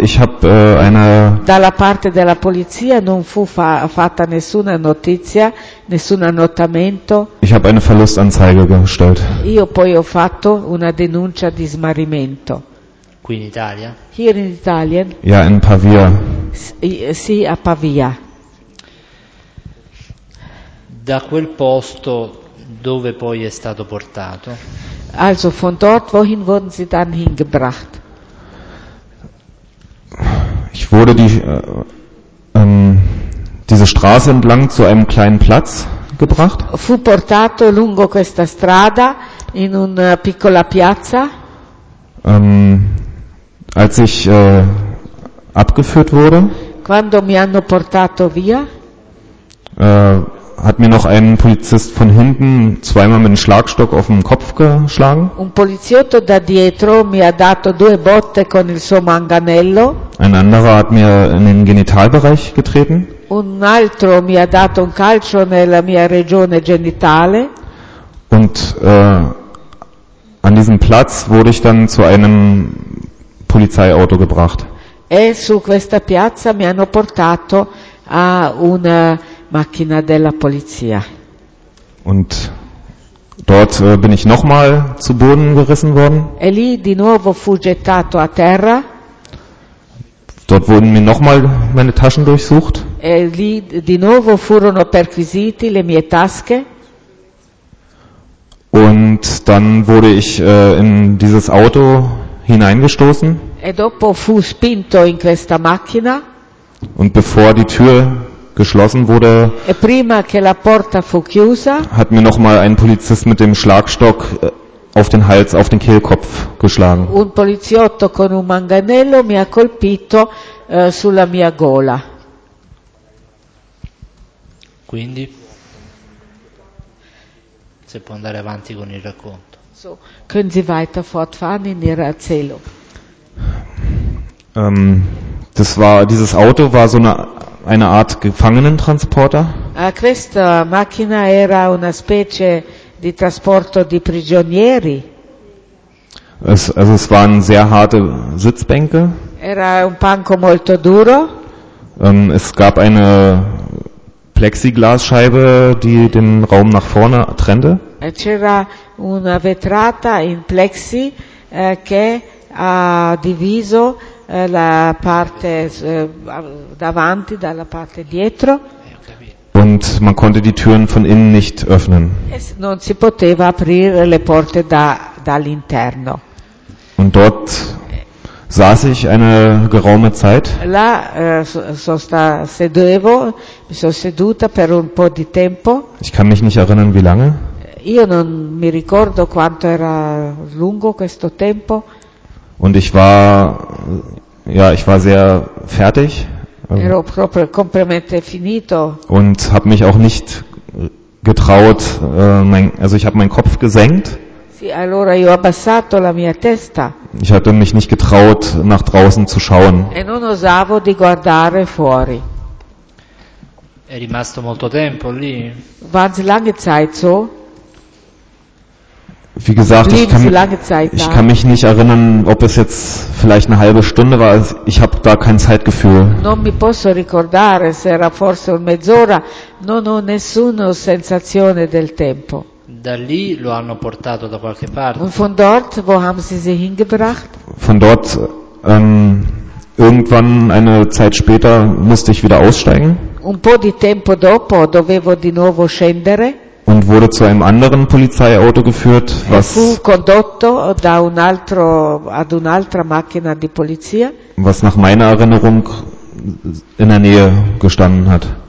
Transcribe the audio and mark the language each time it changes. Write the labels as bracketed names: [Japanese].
[German] Ich habe eine. [Italian] Dalla parte della polizia non fu fatta nessuna notizia, nessun annotamento. [German] Ich habe eine Verlustanzeige gestellt. [Italian] Io poi ho fatto una denuncia di smarrimento. Qui in Italia? [German] Hier in Italia? Ja, in Pavia. [Italian] Sì, a Pavia. Da quel posto dove poi è stato portato? [German] Also von dort wohin wurden sie dann hingebracht? Ich wurde die diese Straße entlang zu einem kleinen Platz gebracht. [Italian] Fu portato lungo questa strada in una piccola piazza. [German] Als ich abgeführt wurde. [Italian] Quando mi hanno portato via. [German] Hat mir noch ein Polizist von hinten zweimal mit dem Schlagstock auf den Kopf geschlagen. [Italian] Un poliziotto da dietro mi ha dato due botte con il suo manganello. [German] Ein anderer hat mir in den Genitalbereich getreten. [Italian] Un altro mi ha dato un calcio nella mia regione genitale. [German] Und an diesem Platz wurde ich dann zu einem Polizeiauto gebracht. [Italian] E su questa piazza mi hanno portato a una macchina della polizia. [German] Und dort bin ich nochmal zu Boden gerissen worden. [Italian] E lì di nuovo fu gettato a terra. [German] Dort wurden mir nochmal meine Taschen durchsucht. [Italian] E lì di nuovo furono perquisiti le mie tasche. [German] Und dann wurde ich in dieses Auto hineingestoßen. [Italian] E dopo fu spinto in questa macchina. [German] Und bevor die Tür geschlossen wurde, [Italian] e prima che la porta fu chiusa, [German] hat mir nochmal ein Polizist mit dem Schlagstock auf den Hals, auf den Kehlkopf geschlagen. [Italian] Un poliziotto con un manganello mi ha colpito sulla mia gola. Quindi, se può andare avanti con il racconto. [German] So, können Sie weiter fortfahren in Ihrer Erzählung? Das war, dieses Auto war so eine Art Gefangenentransporter. [Italian] Questa macchina era una specie di trasporto di prigionieri. [German] Es waren sehr harte Sitzbänke. [Italian] Era un banco molto duro. [German] Es gab eine Plexiglasscheibe, die den Raum nach vorne trennte. [Italian] C'era una vetrata in plexi che ha diviso la parte davanti dalla parte dietro. [German] Und man konnte die Türen von innen nicht öffnen. [Italian] Non si poteva aprire le porte dall'interno. [German] Und dort saß ich eine geraume Zeit. [Italian] Là sono seduta per un po' di tempo. [German] Ich kann mich nicht erinnern, wie lange. [Italian] Io non mi ricordo quanto era lungo questo tempo. [German] Und ich war, ja, ich war sehr fertig. [Italian] Ero proprio completamente finito. [German] Und habe mich auch nicht getraut, ich habe meinen Kopf gesenkt. [Italian] Sì, allora io ho abbassato la mia testa. [German] Ich hatte mich nicht getraut, nach draußen zu schauen. [Italian] E non osavo di guardare fuori. È rimasto molto tempo lì. [German] War es lange Zeit so? Wie gesagt, ich kann mich nicht erinnern, ob es jetzt vielleicht eine halbe Stunde war. Ich habe da kein Zeitgefühl. [Italian] Non mi posso ricordare se era forse mezz'ora. Non ho nessuna sensazione del tempo. Da lì lo hanno portato da qualche parte. [German] Und von dort, wo haben sie sie hingebracht? Von dort, irgendwann eine Zeit später musste ich wieder aussteigen. [Italian] Un po' di tempo dopo dovevo di nuovo scendere. [German] Und wurde zu einem anderen Polizeiauto geführt, was [Italian] fu condotto da un altro ad un'altra macchina di polizia, [German] was nach meiner Erinnerung in der Nähe gestanden hat.